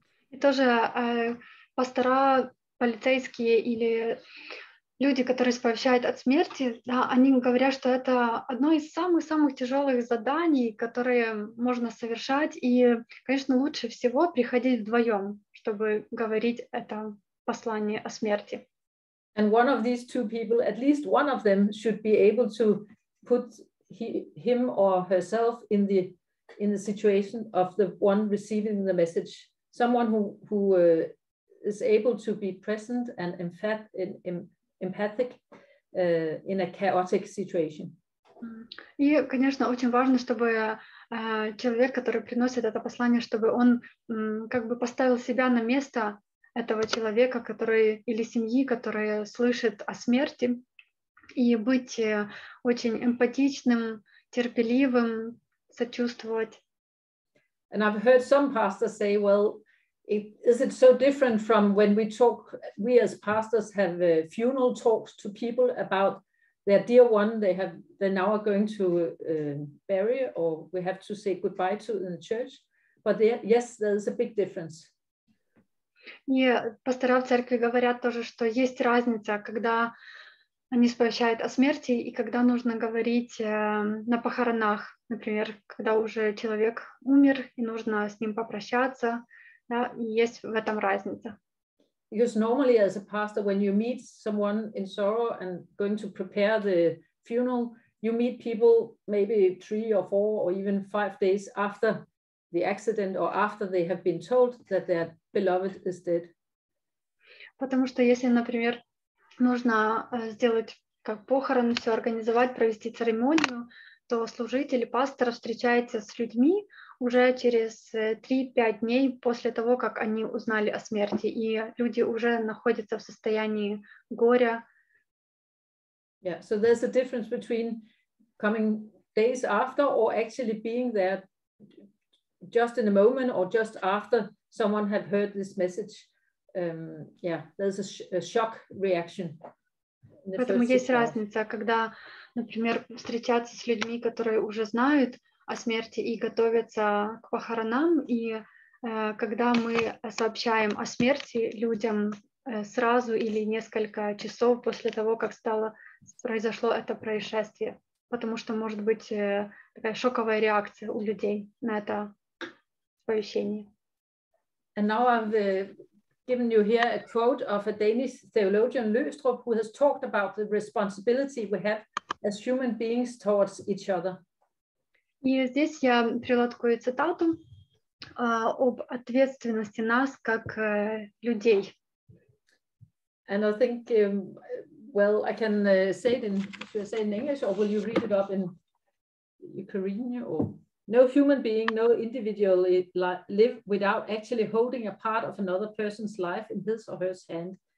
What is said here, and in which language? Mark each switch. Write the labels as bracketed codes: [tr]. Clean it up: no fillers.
[ru] И тоже пастора, полицейские или люди, которые сповещают от смерти, да, они говорят, что это одно из самых-самых тяжелых заданий, которые можно совершать. И, конечно, лучше всего приходить вдвоем, чтобы говорить это послание о смерти. [en] And one of these two people, at least one of them, should be able to put him or herself in the situation of the one receiving the message. Someone who is able to be present and empathic in a chaotic situation. [ru] И, конечно, очень важно, чтобы человек, который приносит это послание, чтобы он как бы поставил себя на место этого человека, который или семьи, которая слышит о смерти, и быть очень эмпатичным, терпеливым, сочувствовать. [en] And I've heard some pastors say, well, is it so different from when we talk, we as pastors have funeral talks to people about their dear one, they're now going to bury, or we have to say goodbye to in the church. But yes, there's a big difference. [ru] И пастора в церкви говорят тоже, что есть разница, когда они сповещают о смерти и когда нужно говорить на похоронах, например, когда уже человек умер и нужно с ним попрощаться, да, и есть в этом разница. [en] Because normally as a pastor, when you meet someone in sorrow and going to prepare the funeral, you meet people maybe 3 or 4 or even 5 days after the accident or after they have been told that their beloved is dead. [ru] Потому что если, например, нужно сделать как похороны, все организовать, провести церемонию, то служитель, пастор встречается с людьми уже через 3-5 дней после того, как они узнали о смерти, и люди уже находятся в состоянии горя. [en] Yeah, so there's a difference between coming days after or actually being there just in a moment or just after someone had heard this message. There's a shock reaction. [ru] Поэтому есть разница, когда, например, встречаться с людьми, которые уже знают о смерти и готовятся к похоронам, и когда мы сообщаем о смерти людям сразу или несколько часов после того, как произошло это происшествие, потому что может быть такая шоковая реакция у людей на это сповещение. [en] And now given you here a quote of a Danish theologian, Løgstrup, who has talked about the responsibility we have as human beings towards each other. [ru] И здесь я привела такую цитату об ответственности нас как людей. [en] And I think, well, I can say it in, should I say it in English, or will you read it up in Ukrainian, or... No human being, no individual live without actually holding a part of another person's life in his or her hand.